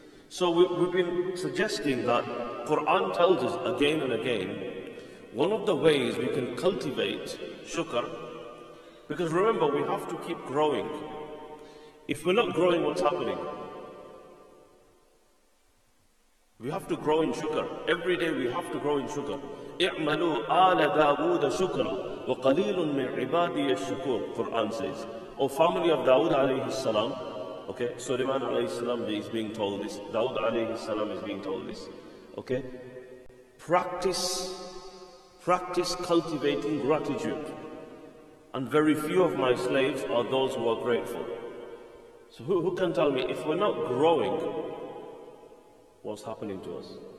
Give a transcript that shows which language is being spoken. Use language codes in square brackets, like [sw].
[en] So we've been suggesting that Quran tells us again and again, one of the ways we can cultivate shukr. Because remember, we have to keep growing. If we're not growing, what's happening? We have to grow in shukr. Every day we have to grow in shukr. [ar] اِعْمَلُوا آلَ دَاوُودَ شُكْرًا وَقَلِيلٌ مِنْ عِبَادِيَ الشُّكُرُ [en] Quran says. O family of Dawood alayhi salam. Okay, Suleiman alayhi salam is being told this. Dawood alayhi salam is being told this. Okay. Practice cultivating gratitude. And very few of my slaves are those who are grateful. So who can tell me, if we're not growing, what's happening to us?